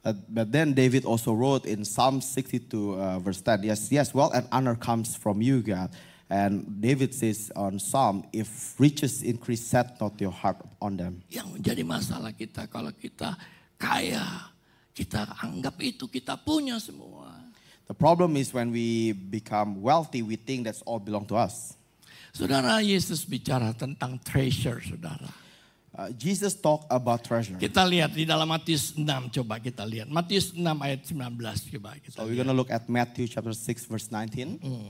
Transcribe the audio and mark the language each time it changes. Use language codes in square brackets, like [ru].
[en] But then David also wrote in Psalm 62 verse 10, yes, wealth and honor comes from you, God. And David says on Psalm, if riches increase, set not your heart on them. [id] Yang menjadi masalah kita, kalau kita kaya, kita anggap itu kita punya semua. [en] The problem is when we become wealthy, we think that's all belong to us. [id] Saudara, Yesus bicara tentang treasure, saudara. [en] Jesus talk about treasure. [id] Kita lihat di dalam Matius 6, coba kita lihat. Matius 6 ayat 19, coba kita lihat. [en] So we're going to look at Matthew chapter 6 verse 19.